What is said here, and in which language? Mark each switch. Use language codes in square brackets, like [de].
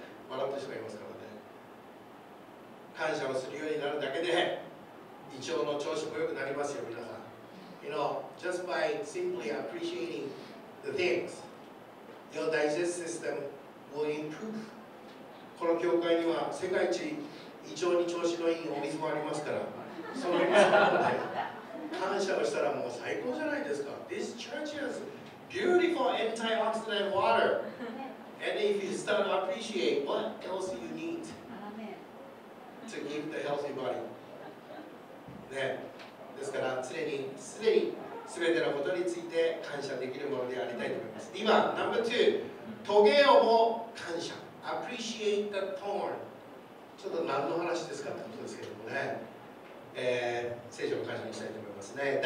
[ja] 笑ってしまいますからね。感謝をするようになるだけで胃腸の調子も良くなりますよ、皆さん。 [en] You know, just by simply appreciating the things, your digestive system will improve. [ja] この教会には世界一胃腸に調子のいいお水もありますから、その水を飲んで感謝をしたらもう最高じゃないですか。 [en] This church has beautiful antioxidant water. And if you start to appreciate, what else you need to give the healthy body? [ja] ね、ですから常に常に全てのことについて感謝できるものでありたいと思います。今、Number 2、トゲをも感謝。 [en] Appreciate the thorn. [ja] ちょっと何の話ですかってことですけどもね、聖書を感謝したいと思いますね。